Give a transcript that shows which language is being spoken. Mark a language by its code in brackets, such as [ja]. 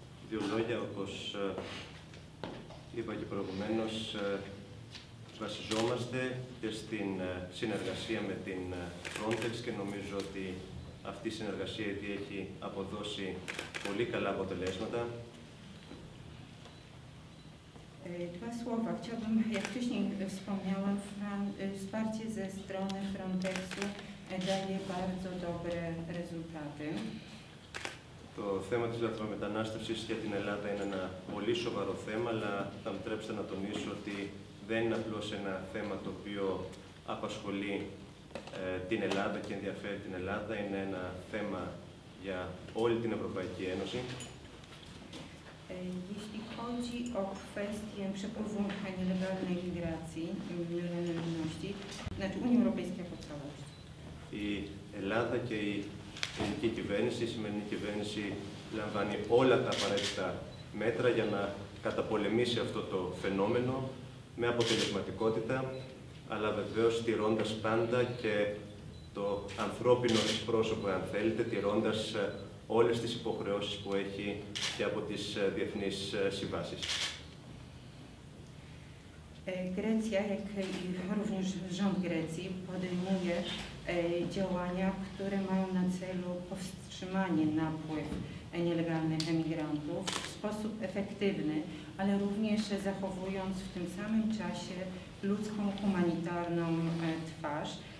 [el] Δύο λόγια, όπως είπα και προηγουμένως, βασιζόμαστε και στην συνεργασία με την Frontex και νομίζω ότι αυτή η συνεργασία ήδη έχει αποδώσει πολύ καλά αποτελέσματα. [pl] Dwa słowa. Chciałbym, jak wcześniej wspomniałam, wsparcie ze strony Frontexu daje bardzo dobre rezultaty. [el] Το θέμα της λαθρομετανάστευσης για την Ελλάδα είναι ένα πολύ σοβαρό θέμα, αλλά θα μου επιτρέψετε να τονίσω ότι δεν είναι απλώς ένα θέμα το οποίο απασχολεί την Ελλάδα και ενδιαφέρει την Ελλάδα. Είναι ένα θέμα για όλη την Ευρωπαϊκή Ένωση. [pl] Jeśli chodzi o kwestię przepływu nielegalnej migracji, nielegalności, znaczy Unii Europejskiej jako całość. [el] Η Ελλάδα και η ελληνική κυβέρνηση, η σημερινή κυβέρνηση λαμβάνει όλα τα απαραίτητα μέτρα για να καταπολεμήσει αυτό το φαινόμενο με αποτελεσματικότητα, αλλά βεβαίως τηρώντας πάντα και το ανθρώπινο της πρόσωπο, αν θέλετε, τηρώντας όλες τις υποχρεώσεις που έχει και από τις διεθνείς συμβάσεις. [pl] Grecja, jak i również rząd Grecji, podejmuje działania, które mają na celu powstrzymanie napływu nielegalnych emigrantów w sposób efektywny, ale również zachowując w tym samym czasie ludzką, humanitarną twarz.